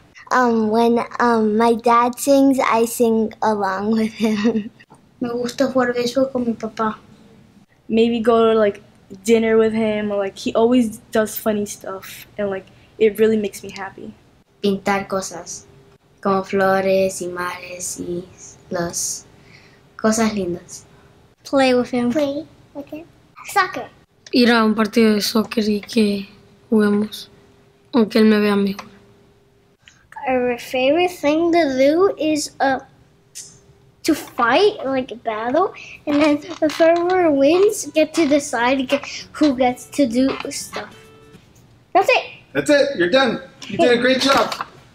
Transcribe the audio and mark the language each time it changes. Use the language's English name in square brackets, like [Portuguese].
[English] When my dad sings, I sing along with him. [Spanish] Me gusta jugar béisbol con mi papá. [English] Maybe go to like dinner with him, or like he always does funny stuff, and like it really makes me happy. [Spanish] Pintar cosas. Como flores y mares y las cosas lindas. [English] Play with him. Play with him. Soccer. [Spanish] Ir a un partido de soccer y que juguemos, aunque él me vea mejor. [English] Our favorite thing to do is to fight, like a battle, and then whoever wins get to decide who gets to do stuff. That's it. That's it. You're done. You did a great job.